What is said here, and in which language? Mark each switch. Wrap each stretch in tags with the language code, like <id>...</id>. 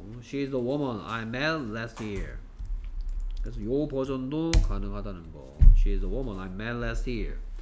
<en>She is the woman I met last year.</en> <ko>그래서 요 버전도 가능하다는 거.</ko> <en>She is the woman I met last year.</en>